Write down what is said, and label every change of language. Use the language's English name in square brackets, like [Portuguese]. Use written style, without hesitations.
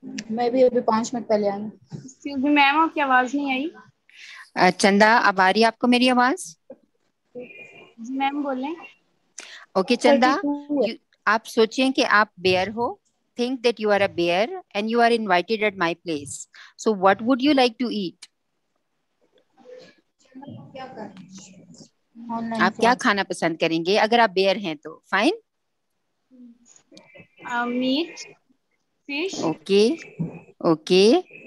[Hindi] मैं भी अभी 5 मिनट पहले आई. मैम आपकी आवाज नहीं आई. चंदा अब आ रही है आपको मेरी आवाज? जी मैम बोले. ओके चंदा, आप सोचिए कि आप बेयर हो. [English] Think that you are a bear and you are invited at my place. So what would you like to eat? [Hindi] आप क्या खाना पसंद करेंगे अगर आप बेयर हैं तो? [English] Fine. Meat, fish. Okay, okay.